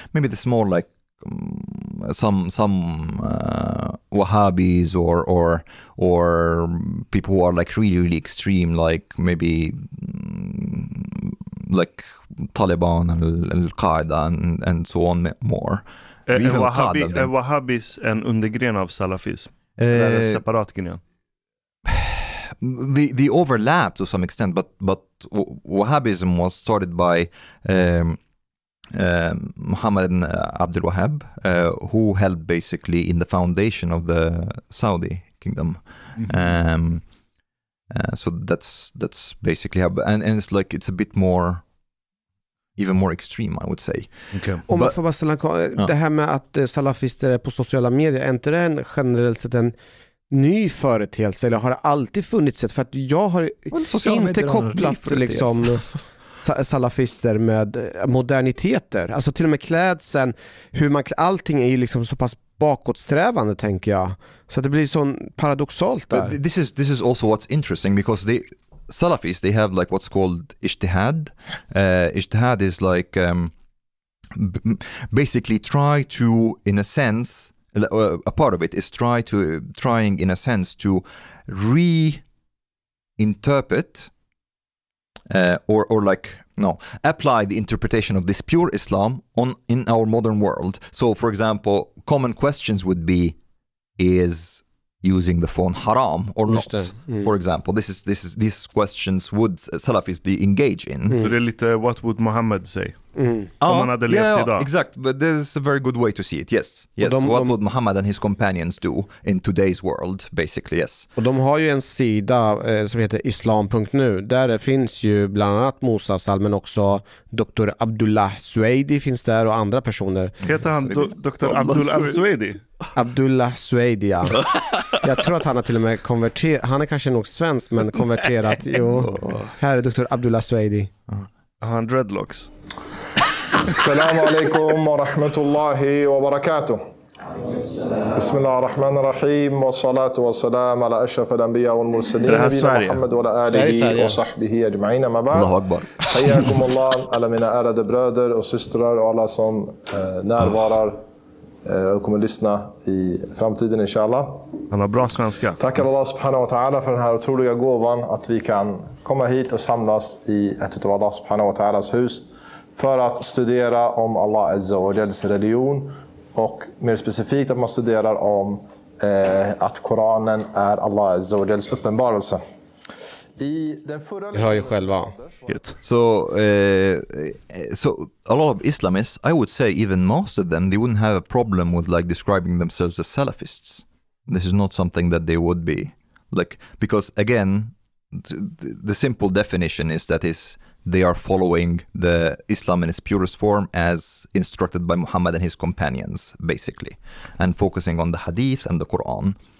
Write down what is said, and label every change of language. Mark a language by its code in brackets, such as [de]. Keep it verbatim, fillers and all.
[en] Maybe it's more like um, some some uh, Wahhabis or, or, or people who are like really, really extreme, like maybe like Taliban and Al-Qaeda and, and so on more. [sv] Är Wahhabi, är Wahhabis en undergren av salafism? Eh, Eller en separat gren? [en] The, the overlap to some extent, but, but Wahhabism was started by um, uh, Muhammad ibn Abdul Wahhab, uh, who helped basically in the foundation of the Saudi kingdom. Mm-hmm. Um, uh, so that's that's basically how, and, and it's like it's a bit more even more extreme, I would say. Okay. [sv] Om man får bara ställa, det här med att salafister är på sociala medier, är inte det en, generellt sett en ny företeelse, eller har det alltid funnits ett? För att jag har inte kopplat liksom salafister med moderniteter. Alltså till och med klädseln, hur man, allting är liksom så pass bakåtsträvande, tänker jag. Så det blir sån paradoxalt där. [en] But this is, this is also what's interesting, because they Salafis, they have like what's called ijtihad. Uh, ijtihad is like um, b- basically try to, in a sense, uh, a part of it is try to trying in a sense to reinterpret uh, or or like no apply the interpretation of this pure Islam on in our modern world. So, for example, common questions would be: is using the phone haram or not, mm. for example. This is this is these questions would Salafis they engage in. Mm. So they're lite, what would Muhammad say? Mm. [sv] Om han hade levt yeah, idag. [en] Exakt, but this is a very good way to see it. Yes, yes. De, what de, would Muhammad and his companions do in today's world, basically, yes. [sv] Och de har ju en sida eh, som heter islam punkt nu. Där finns ju bland annat Musa Sal, men också doktor Abdullah Sueidi finns där och andra personer. Heter han do, doktor Abdullah Sueidi? Abdullah Sueidi, ja. Jag tror att han har till och med konverterat. Han är kanske nog svensk, men konverterat. Jo. Här är doktor Abdullah Sueidi. Han dreadlocks. [ar] السلام عليكم ورحمة الله وبركاته بسم الله الرحمن الرحيم والصلاة والسلام على أشرف الأنبياء والمرسلين نبينا محمد وعلى آله وصحبه أجمعين ما بعد الله أكبر حياكم الله [sv] alla mina ärade bröder och systrar och alla som närvarar och kommer lyssna i framtiden inshallah. Han har bra svenska. Tackar Allah subhanahu wa ta'ala för den här otroliga gåvan att vi kan komma hit och samlas i ett av Allah subhanahu wa ta'alas hus för att studera om Allah Azza wa Jalls religion och mer specifikt att man studerar om eh, att Koranen är Allah Azza wa Jalls uppenbarelse. I den förra... Jag hör ju själva. [en] So, uh, so a lot of Islamists, I would say even most of them, they wouldn't have a problem with like describing themselves as Salafists. This is not something that they would be. Like, because again, the, the simple definition is that is they are following the Islam in its purest form as instructed by Muhammad and his companions, basically, and focusing on the Hadith and the Quran.